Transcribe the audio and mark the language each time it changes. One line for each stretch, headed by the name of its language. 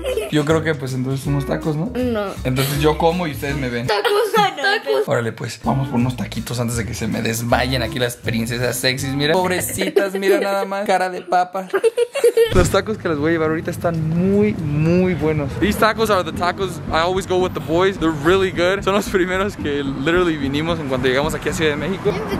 Spanish: Yo creo que pues entonces unos tacos, ¿no? No. Entonces yo como y ustedes me ven. Tacos, tacos. Órale pues, vamos por unos taquitos antes de que se me desmayen aquí las princesas sexys. Mira, pobrecitas, mira nada más, cara de papa. Los tacos que les voy a llevar ahorita están muy, muy buenos.
English: These tacos are the tacos I always go with the boys. They're really good.
Spanish: Son los primeros que literally vinimos en cuanto llegamos aquí a Ciudad de México.